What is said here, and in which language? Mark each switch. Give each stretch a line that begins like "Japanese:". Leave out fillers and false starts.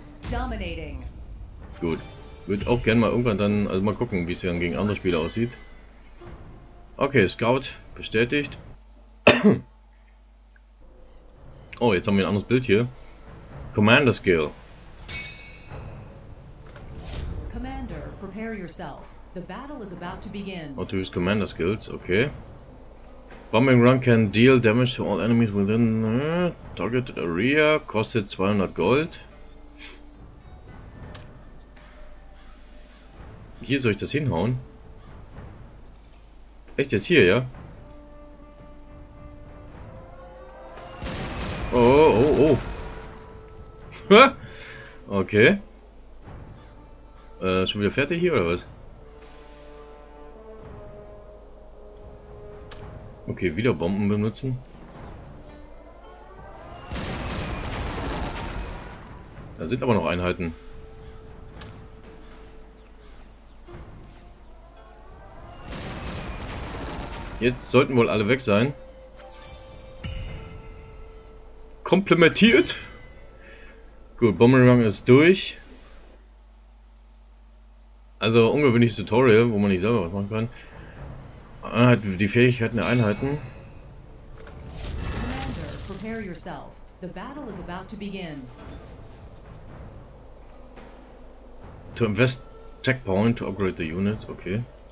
English: Dominating.
German: Gut. Würde auch gerne mal irgendwann dann, also mal gucken, wie es dann gegen andere Spieler aussieht. Okay, Scout bestätigt. Oh, jetzt haben wir ein anderes Bild hier.
English: Commander Skill. Commander, prepare yourself. The battle is about to begin. Auto use Commander Skills, okay. Bombing Run can deal damage to all enemies within targeted area,
German: kostet 200 Gold. Hier soll ich das hinhauen? Echt jetzt hier, ja? Oh, oh, oh. Okay. Schon wieder fertig hier oder was? Okay, wieder Bomben benutzen. Da sind aber noch Einheiten. Jetzt sollten wohl alle weg sein. Komplimentiert. Gut, Bomberang ist durch. Also ungewöhnliches Tutorial, wo man nicht selber was machen kann. Einheit, die Fähigkeiten der Einheiten.
English: Commander, prepare yourself. The battle is about to begin. To invest checkpoint to upgrade the unit, okay.